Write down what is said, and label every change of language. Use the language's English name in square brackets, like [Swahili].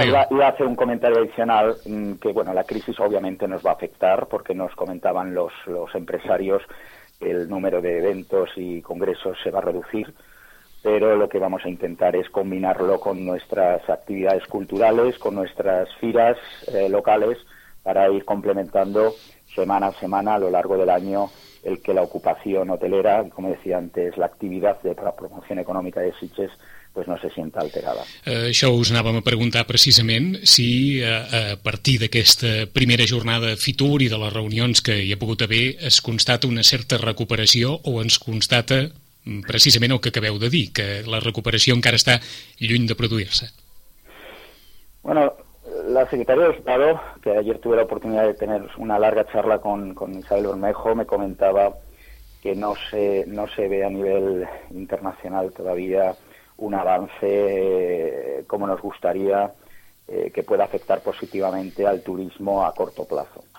[Spanish] Iba a hacer un comentario adicional que, bueno, la crisis obviamente nos va a afectar porque nos comentaban los empresarios el número de eventos y congresos se va a reducir, pero lo que vamos a intentar es combinarlo con nuestras actividades culturales, con nuestras firas locales, para ir complementando semana a semana a lo largo del año el que la ocupación hotelera, como decía antes, la actividad de la promoción económica de Sitges, pues no se sienta alterada. [Catalan] Això us anàvem a preguntar precisament si a partir d'aquesta primera jornada Fitur i de les reunions que hi ha pogut haver es constata una certa recuperació o ens constata precisament el que acabeu de dir, que la recuperació encara està lluny de produir-se. [Spanish] Bueno, la secretaria de Estado, que ayer tuve la oportunidad de tener una larga charla con Isabel Bermejo, me comentaba que no se ve a nivel internacional todavía un avance como nos gustaría que pueda afectar positivamente al turismo a corto plazo.